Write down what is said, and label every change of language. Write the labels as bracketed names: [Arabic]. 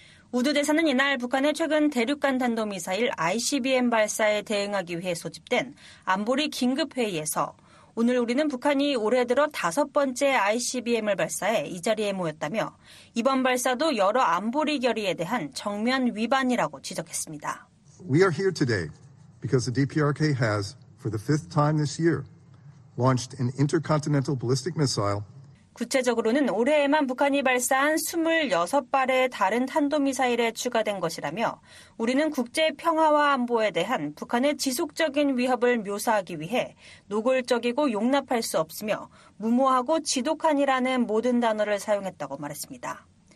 [Korean] 우드 대사는 이날 북한의 최근 대륙간 탄도미사일 ICBM 발사에 대응하기 위해 소집된 안보리 긴급회의에서 오늘 우리는 북한이 올해 들어 다섯 번째 ICBM을 발사해 이 자리에 모였다며 이번 발사도 여러 안보리 결의에 대한 정면 위반이라고 지적했습니다. [English] We are here today because the DPRK has, for the fifth time this year, launched an intercontinental ballistic missile. [Korean] 구체적으로는 올해에만 북한이 발사한 26발의 다른 탄도미사일에 추가된 것이라며 우리는 국제 평화와 안보에 대한 북한의 지속적인 위협을 묘사하기 위해 노골적이고 용납할 수 없으며 무모하고 지독한이라는 모든 단어를 사용했다고 말했습니다.